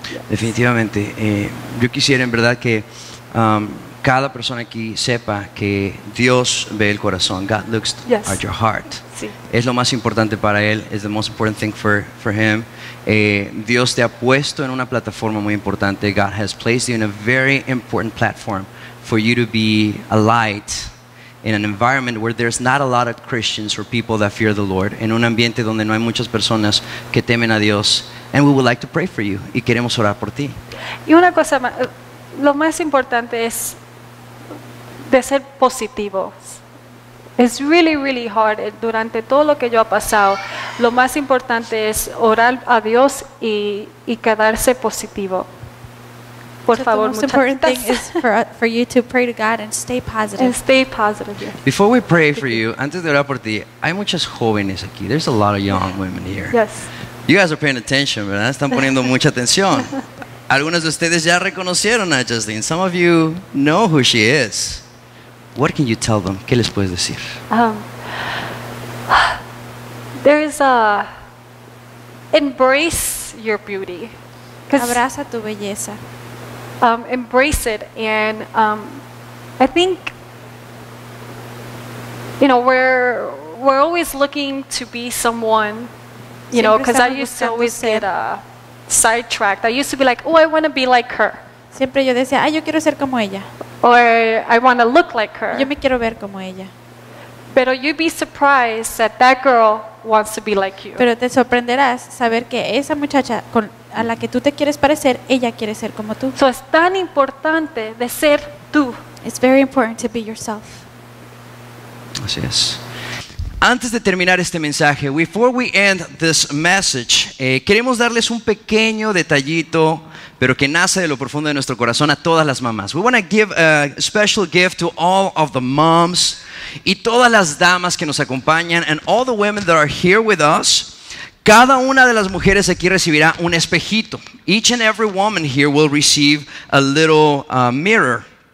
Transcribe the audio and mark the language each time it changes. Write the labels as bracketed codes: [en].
[es] Definitivamente, yo quisiera en verdad que cada persona aquí sepa que Dios ve el corazón. [en] God looks at your heart. [es] Sí. Es lo más importante para Él. Es [en] the most important thing for Him. [es] Dios te ha puesto en una plataforma muy importante. [en] God has placed you in a very important platform for you to be a light in an environment where there's not a lot of Christians or people that fear the Lord. [es] En un ambiente donde no hay muchas personas que temen a Dios. [en] And we would like to pray for you. [es] Y queremos orar por ti. Y una cosa más. Lo más importante es de ser positivo. [en] It's really, really hard. [es] Durante todo lo que yo he pasado, lo más importante es orar a Dios y quedarse positivo. Por favor, muchachas. [en] The most important thing is for you to pray to God and stay positive. And stay positive. Before we pray for you, [es] antes de orar por ti, hay muchas jóvenes aquí. [en] There's a lot of young women here. Yes. You guys are paying attention, [es] ¿verdad? Están poniendo mucha atención. Algunas de ustedes ya reconocieron a Jaslene. [en] Some of you know who she is. What can you tell them? [es] ¿Qué les puedes decir? [en] There's a embrace your beauty. [es] Abraza tu belleza. [en] Embrace it, and I think you know we're always looking to be someone, you know, because I used to always get sidetracked. I used to be like, oh, I want to be like her. [es] Siempre yo decía, ay, yo quiero ser como ella. [en] Or I want to look like her. [es] Yo me quiero ver como ella. [en] But you'd be surprised that that girl wants to be like you. [es] Pero te sorprenderás saber que esa muchacha con a la que tú te quieres parecer, ella quiere ser como tú. So es tan importante de ser tú. [en] It's very important to be yourself. [es] Así es. Antes de terminar este mensaje, [en] before we end this message, [es] queremos darles un pequeño detallito, pero que nace de lo profundo de nuestro corazón a todas las mamás. [en] We want to give a special gift to all of the moms [es] y todas las damas que nos acompañan [en] and all the women that are here with us. [es] Cada una de las mujeres aquí recibirá un espejito. [en] Each and every woman here will receive a little mirror.